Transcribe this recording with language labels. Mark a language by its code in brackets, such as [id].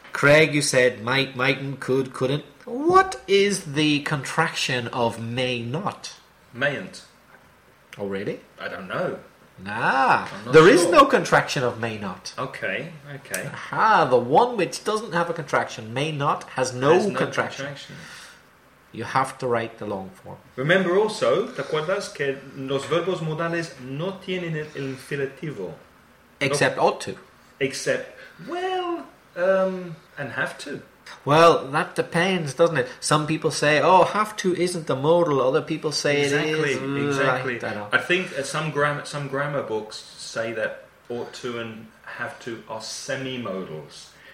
[en] Craig, you said might, mightn't, could, couldn't. What is the contraction of may not? Mayn't. Oh, really? I don't know. Nah. There is no contraction of may not. Okay, okay. Aha, the one which doesn't have a contraction, may not, has no contraction. You have to write the long form. Remember also, [es] ¿te acuerdas que los verbos modales no tienen el infinitivo? [en] Except ought to. Except, well, and have to. Well, that depends, doesn't it? Some people say, oh, have to isn't the modal. Other people say exactly, it is. Exactly, exactly. I think some grammar books say that ought to and have to are semi-modals.